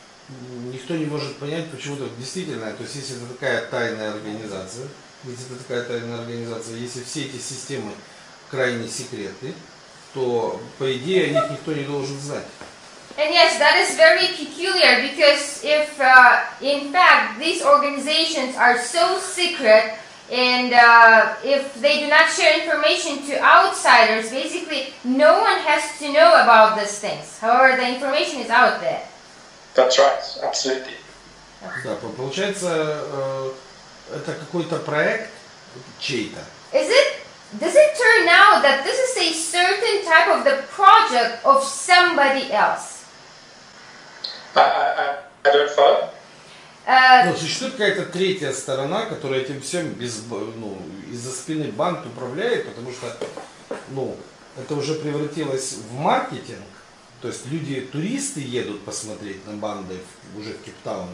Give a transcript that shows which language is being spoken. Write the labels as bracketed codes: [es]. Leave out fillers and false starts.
[ru] никто не может понять, почему так действительно. То есть, если это такая тайная организация, если все эти системы крайне секреты, то, по идее, о них никто не должен знать. [en] And yes, that is very peculiar, because if, in fact, these organizations are so secret, and if they do not share information to outsiders, basically, no one has to know about these things. However, the information is out there. That's right, absolutely. [ru] Да, получается, это какой-то проект чей-то. [en] Is it? Does it turn out that this is a certain type of the project of somebody else? I don't follow. [ru] Ну, существует какая-то третья сторона, которая этим всем без, ну, из-за спины банк управляет, потому что, ну, это уже превратилось в маркетинг. То есть люди, туристы едут посмотреть на банды уже в Кейптаун.